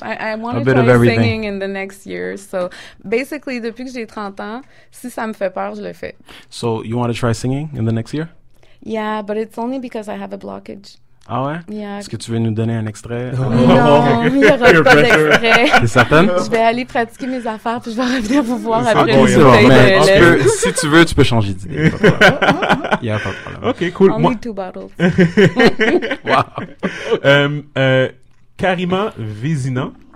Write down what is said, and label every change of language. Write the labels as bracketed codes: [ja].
[en] I want to try singing in the next year. So, basically, [fr] depuis que j'ai 30 ans, si ça me fait peur, je le fais. [en] So, you want to try singing in the next year? Yeah, but it's only because I have a blockage. [fr] Ah ouais? [en] Yeah. [fr] Est-ce que tu veux nous donner un extrait? Non, il n'y aura pas d'extrait. T'es certaine? Je vais aller pratiquer mes affaires, puis je vais revenir vous voir c'est après. C'est bon, mais si tu veux, tu peux changer d'idée. Il n'y a pas de problème. [en] OK, cool. Only two bottles. Wow. Karima Vézina.